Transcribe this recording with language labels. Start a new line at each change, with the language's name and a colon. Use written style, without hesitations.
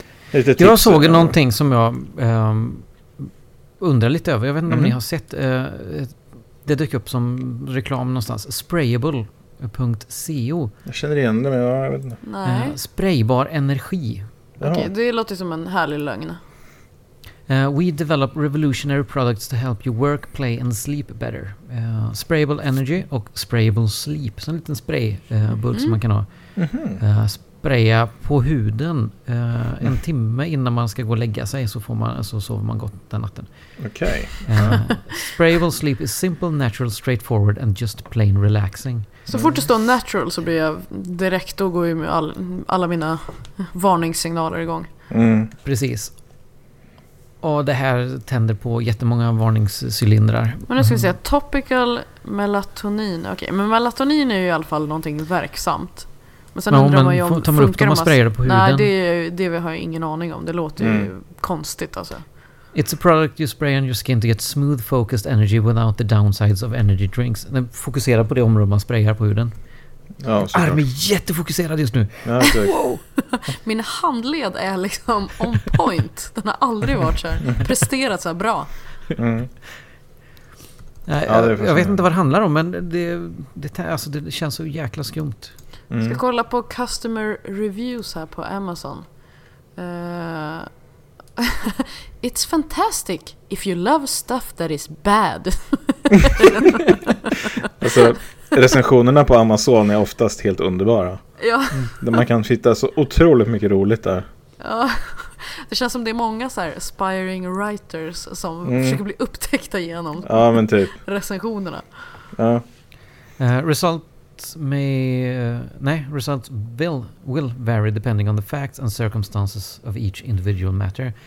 Swedish: Lite tips. Jag såg någonting som jag undrar lite över. Jag vet inte om ni har sett. Det dyker upp som reklam någonstans. Sprayable.co. Jag känner igen det, men jag vet inte. Nej. Spraybar energi. Okej, det låter som en härlig lögn.
English: We develop revolutionary products to help you work, play and sleep better.
Swedish: Sprayable energy och sprayable sleep. Så en liten spraybull som man kan ha. Spraya på huden en timme innan man ska gå och lägga sig, så får man, så sover man gott den natten.
English: Okay. Sprayable sleep is simple, natural, straightforward and just plain relaxing.
Swedish: Så fort det står natural så blir jag direkt, och går ju med alla mina varningssignaler igång. Precis. Och det här tänder på jättemånga varningscylindrar. Men nu ska vi säga topical melatonin. Okej, men melatonin är ju i alla fall någonting verksamt. Men sen men undrar man ju om tar man upp det och sprayar det på huden. Nej, det har jag ingen aning om. Det låter ju konstigt alltså.
English: It's a product you spray on your skin to get smooth focused energy without the downsides of energy drinks.
Swedish: Den fokuserar på det område man sprayar på huden. Ja, armen är jättefokuserad just nu. Min handled är liksom on point. Den har aldrig varit så här, presterat så här bra. Ja, jag vet inte vad det handlar om, men det känns så jäkla skumt. Jag ska kolla på customer reviews här på Amazon.
English: It's fantastic if you love stuff that is bad.
Swedish: Alltså, recensionerna på Amazon är oftast helt underbara. Ja. Där man kan hitta så otroligt mycket roligt där. Ja. Det känns som det är många så här aspiring writers som försöker bli upptäckta genom recensionerna. Ja.
English: Results will vary depending on the facts and circumstances of each individual matter.